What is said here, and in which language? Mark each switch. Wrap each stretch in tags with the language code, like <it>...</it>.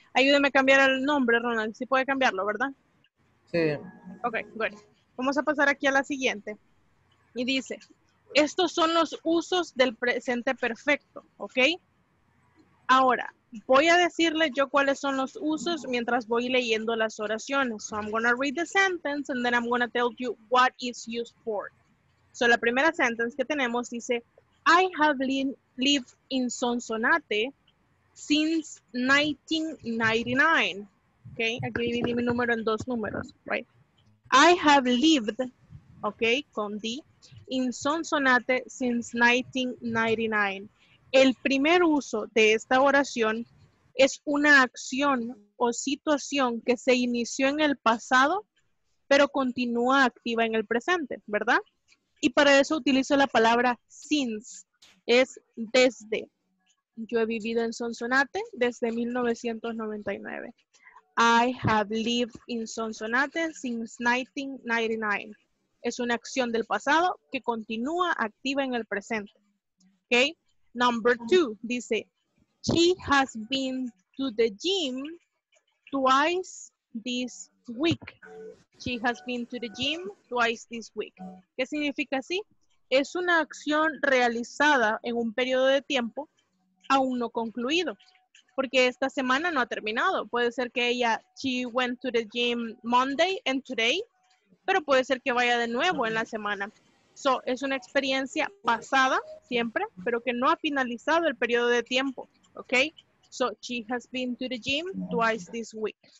<es>Ayúdeme a cambiar el nombre, Ronald. Sí puede cambiarlo, ¿verdad? Sí. Ok, bueno. Vamos a pasar aquí a la siguiente. Y dice, estos son los usos del presente perfecto, ¿ok? Ahora, voy a decirle yo cuáles son los usos mientras voy leyendo las oraciones.</es> <en>So I'm going to read the sentence and then I'm going to tell you what it's used for. So</en> <es>la primera</es> <en>sentence</en> <es>que tenemos dice,</es> <en>I have lived in Sonsonate since 1999. ¿Ok?</en> <es>Aquí dividí mi número en dos números,</es> <en>right? I have lived, okay,</en> <es>con D,</es> <en>in Sonsonate since 1999.</en> <es>El primer uso de esta oración es una acción o situación que se inició en el pasado, pero continúa activa en el presente, ¿verdad? Y para eso utilizo la palabra since, es desde. Yo he vivido en Sonsonate desde 1999.</es> <en>I have lived in Sonsonate since 1999.</en> <es>Es una acción del pasado que continúa activa en el presente.</es> <en>Okay. Number two</en> <es>dice,</es> <en>she has been to the gym twice this week. She has been to the gym twice this week.</en> <es>¿Qué significa así? Es una acción realizada en un periodo de tiempo aún no concluido. Porque esta semana no ha terminado. Puede ser que ella,</es> <en>she went to the gym Monday and today,</en> <es>pero puede ser que vaya de nuevo en la semana. So, es una experiencia pasada siempre, pero que no ha finalizado el periodo de tiempo.</es> <en>Okay? So, she has been to the gym twice this week.</en>